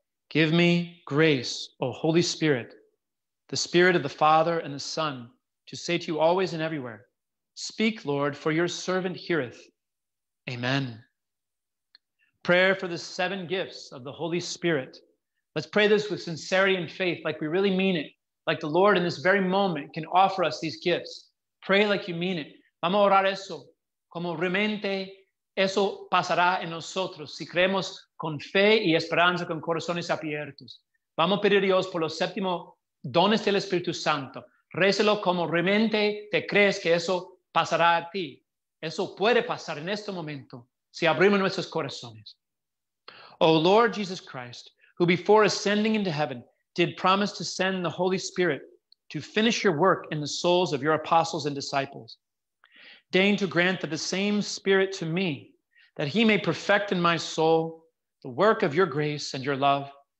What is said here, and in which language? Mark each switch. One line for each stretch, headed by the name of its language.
English: Give me grace, O Holy Spirit, the Spirit of the Father and the Son, to say to you always and everywhere, speak, Lord, for your servant heareth. Amen. Prayer for the seven gifts of the Holy Spirit. Let's pray this with sincerity and faith, like we really mean it, like the Lord in this very moment can offer us these gifts. Pray like you mean it.
Spanish: Vamos a orar eso, como realmente eso pasará en nosotros, si creemos con fe y esperanza, con corazones abiertos. Vamos a pedir a Dios por los séptimos dones del Espíritu Santo. Récelo como realmente te crees que eso pasará a ti. Eso puede pasar en este momento, si abrimos nuestros corazones.
English: O Lord Jesus Christ, who before ascending into heaven did promise to send the Holy Spirit to finish your work in the souls of your apostles and disciples, deign to grant that the same Spirit to me, that he may perfect in my soul the work of your grace and your love.